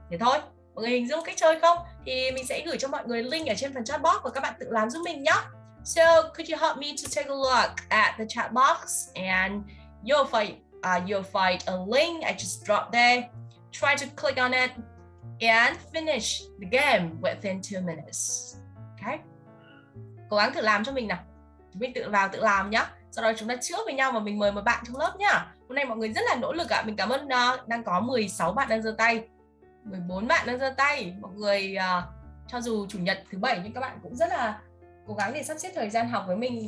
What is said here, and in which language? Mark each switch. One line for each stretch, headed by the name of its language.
Vietnamese: Thế thôi, mọi người hình dung cách chơi không? Thì mình sẽ gửi cho mọi người link ở trên phần chat box và các bạn tự làm giúp mình nhé.
English: So, could you help me to take a look at the chat box? And you'll find a link I just dropped there. Try to click on it and finish the game within 2 minutes. Okay?
Vietnamese: Cố gắng tự làm cho mình nào. Chúng mình tự làm nhé. Sau đó chúng ta trước với nhau và mình mời một bạn trong lớp nhá. Hôm nay mọi người rất là nỗ lực ạ. Mình cảm ơn đang có 16 bạn đang giơ tay. 14 bạn đang giơ tay. Mọi người cho dù chủ nhật thứ bảy nhưng các bạn cũng rất là cố gắng để sắp xếp thời gian học với mình.